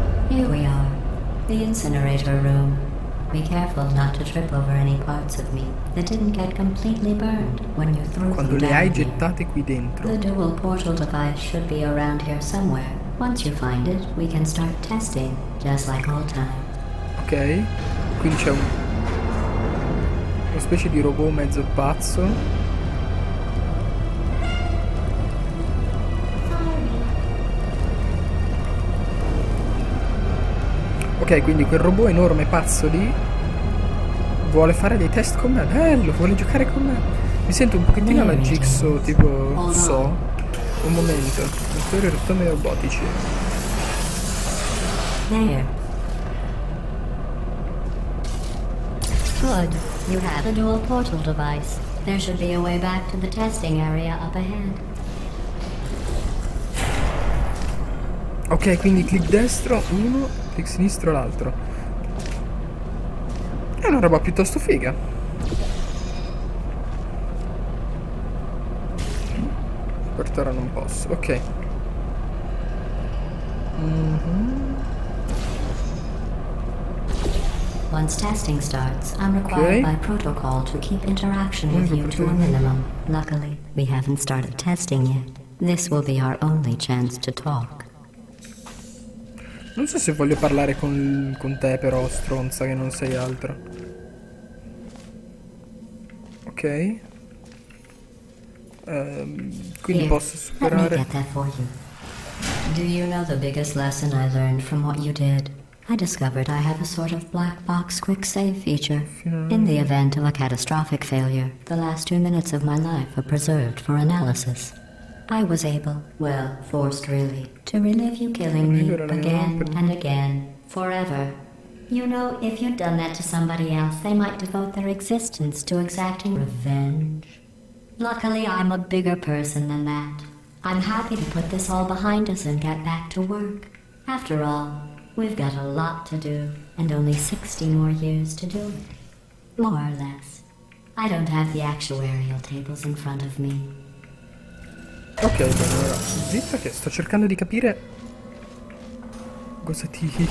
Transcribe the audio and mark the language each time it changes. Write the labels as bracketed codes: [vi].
[en] Here we are, the incinerator room. Be careful not to trip over any parts of me that didn't get completely burned when you threw [it] quando [en] them [it] le hai [en] down [it] gettate qui dentro. [en] The dual portal device should be around here somewhere. Once you find it, we can start testing, just like old time. [it] Ok, qui c'è una specie di robot mezzo pazzo. Ok, quindi quel robot enorme pazzo lì vuole fare dei test con me. Bello, vuole giocare con me. Mi sento un pochettino alla Jigsaw, tipo, so. Un momento, motori rotomi robotici. [en] Good. You have a dual portal device. There should be a way back to the testing area up ahead. [it] Ok, quindi clic destro uno, clic sinistro l'altro. È una roba piuttosto figa. Per ora non posso. Ok. [en] Once testing starts, I'm required by protocol to keep interaction with you to a minimum. Luckily, we haven't started testing yet. This will be our only chance to talk. [it] Non so se voglio parlare con te però, stronza, che non sei altro. Ok. Quindi [en] here, [it] posso superare. [en] Let me get that for you. Do you know the biggest lesson I learned from what you did? I discovered I have a sort of black box quick save feature. In the event of a catastrophic failure, the last 2 minutes of my life are preserved for analysis. I was able, well, forced really, to relive you killing me again and again, forever. You know, if you'd done that to somebody else, they might devote their existence to exacting revenge. Luckily, I'm a bigger person than that. I'm happy to put this all behind us and get back to work. After all, we've got a lot to do, and only 60 more years to do it. More or less. I don't have the actuarial tables in front of me. [it] Ok, allora, zitta che sto cercando di capire cosa ti...